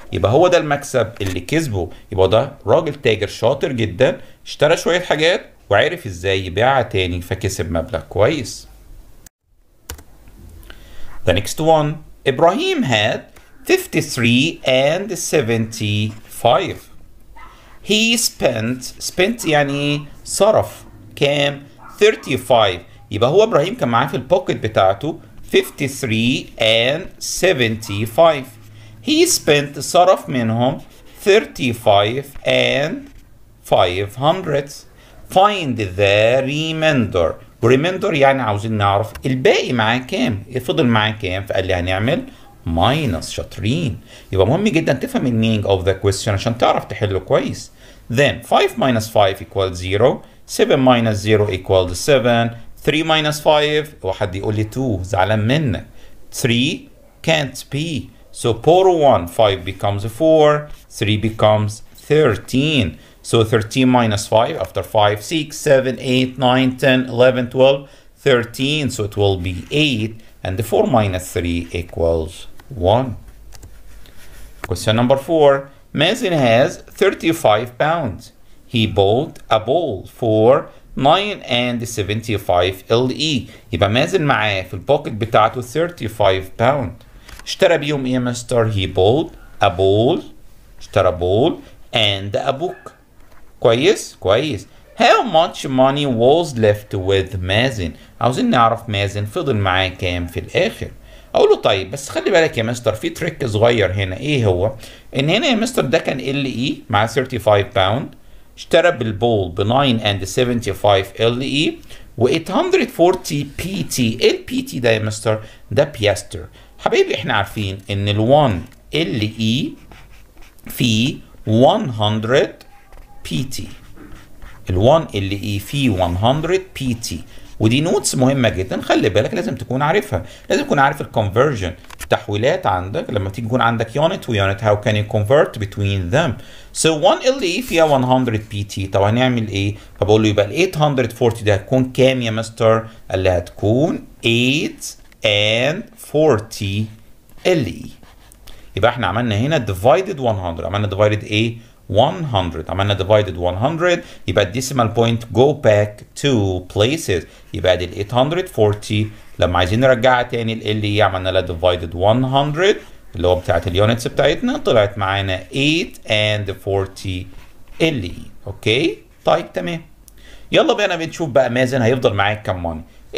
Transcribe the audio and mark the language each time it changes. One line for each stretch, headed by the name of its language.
Arabic: يبقى هو ده المكسب اللي كسبه. يبقى ده راجل تاجر شاطر جدا اشترى شوية حاجات وعرف ازاي يبيعها تاني فكسب مبلغ كويس.
English: The next one. إبراهيم had 53 and 75. He spent
Arabic: يعني صرف كام 35. يبقى هو إبراهيم كان معاه في البوكت بتاعته 53 and 75.
English: He spent
Arabic: صرف منهم
English: 35 and 500. Find the remainder.
Arabic: Remainder يعني عاوزين نعرف الباقي معاه كام؟ فضل معاه كام؟ فقال لي هنعمل minus. شاطرين. يبقى مهم جدا تفهم الـ
English: meaning of the question
Arabic: عشان تعرف تحله كويس.
English: Then 5 minus 5 equals 0. 7 minus 0 equals 7. 3 minus 5.
Arabic: واحد يقول لي 2. زعلان منك.
English: 3 can't be. So pour 1. 5 becomes 4. 3 becomes 13. So 13 minus 5 after 5, 6, 7, 8, 9, 10, 11, 12, 13. So it will be 8 and the 4 minus 3 equals 1. Question number 4. Mazen has 35 pounds. He bought a ball for 9.75 LE.
Arabic: يبقى مازن معاه في البوكت بتاعته 35 pound. اشترى بيهم ايه مستر؟
English: He bought a ball.
Arabic: اشترى
English: ball and a book.
Arabic: كويس؟ كويس.
English: How much money was left with مازن؟
Arabic: عاوزين نعرف مازن فضل معاه كام في الاخر. اقوله طيب بس خلي بالك يا مستر في تريك صغير هنا. ايه هو؟ ان هنا يا مستر ده كان LE مع 35 pound. اشترى بالبول ب 9.75 LE و 840 PT. ايه ال PT ده يا مستر؟ ده بيستر. حبيبي احنا عارفين ان ال 1 LE في 100 PT. ال 1 LE في 100 PT. ودي نوتس مهمة جدا خلي بالك لازم تكون عارفها. لازم تكون عارف الconversion تحويلات عندك لما تيجي يكون عندك unit و unit
English: how can you convert between them. So 1 LE فيها 100 PT.
Arabic: طب هنعمل ايه؟ فبقول له يبقى ال 840 ده هتكون كام يا مستر؟ اللي هتكون 840 LE. يبقى احنا عملنا هنا divided 100. عملنا divided ايه؟ 100.
English: عملنا divided 100 يبقى decimal point go back two places.
Arabic: يبقى دي ال 840 لما عايزين نرجع تاني ال LE عملنا لها divided 100 اللي هو بتاعت ال units بتاعتنا طلعت معانا 840 LE. اوكي طيب تمام. يلا بينا بنشوف بقى مازن هيفضل معاك كم money.